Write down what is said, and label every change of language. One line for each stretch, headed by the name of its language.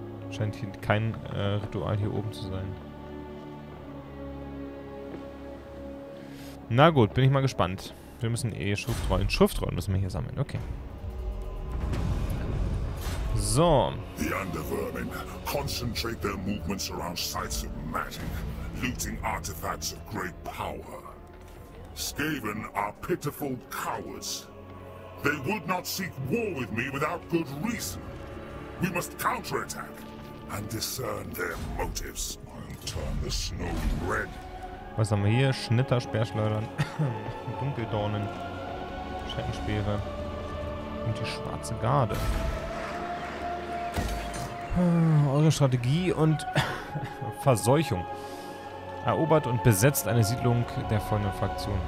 German: Scheint hier kein Ritual hier oben zu sein. Na gut, bin ich mal gespannt. Wir müssen Schriftrollen. Schriftrollen müssen wir hier sammeln. Okay. So.
English: The undervermin concentrate their movements around sites of magic, looting artifacts of great power. Skaven are pitiful cowards. They would not seek war with me without good reason. We must counterattack and discern their motives. I'll turn the snow red.
German: Was haben wir hier? Schnitter, Speerschleudern, Dunkeldornen, Schattenspeere und die schwarze Garde. Eure Strategie und Verseuchung. Erobert und besetzt eine Siedlung der folgenden Fraktion.